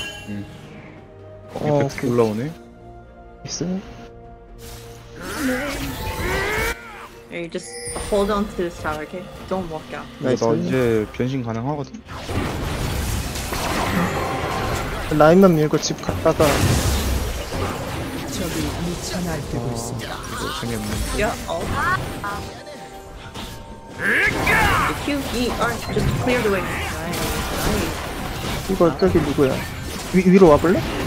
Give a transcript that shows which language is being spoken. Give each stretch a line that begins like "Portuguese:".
Korean: 응. 어, 이게 배트 올라오네. 있어요?
English: Hey, just hold on to this tower, okay? Don't walk out.
Korean: 나 이제 변신 가능하거든. 라인만 밀고 집 갔다가. 저기 미천할 때도 있습니다. 이거 재미없네. 야, 어.
English: The QE just clear the way.
Korean: 이거 저기 누구야? 위로 와볼래?